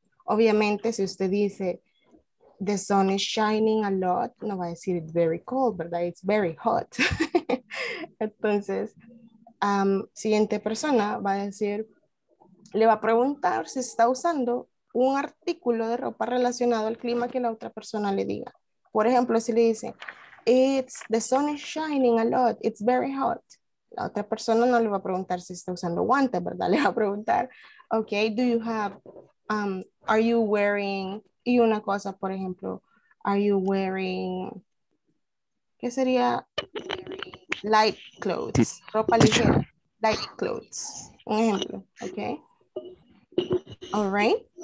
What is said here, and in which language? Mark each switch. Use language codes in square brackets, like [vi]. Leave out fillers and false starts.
[es] Obviamente, si usted dice, [en] the sun is shining a lot, [es] no va a decir [en] it's very cold, [es] ¿verdad? [en] It's very hot. [es] Entonces, siguiente persona va a decir, le va a preguntar si está usando un artículo de ropa relacionado al clima que la otra persona le diga. Por ejemplo, si le dice, [en] the sun is shining a lot, it's very hot. [es] La otra persona no le va a preguntar si está usando guantes, ¿verdad? Le va a preguntar, [en] ok, do you have, are you wearing, [es] y una cosa, por ejemplo, [en] are you wearing, [es] ¿qué sería? [en] Light clothes, [es] ropa ligera, [en] light clothes, [es] un ejemplo, [en] ok. All right.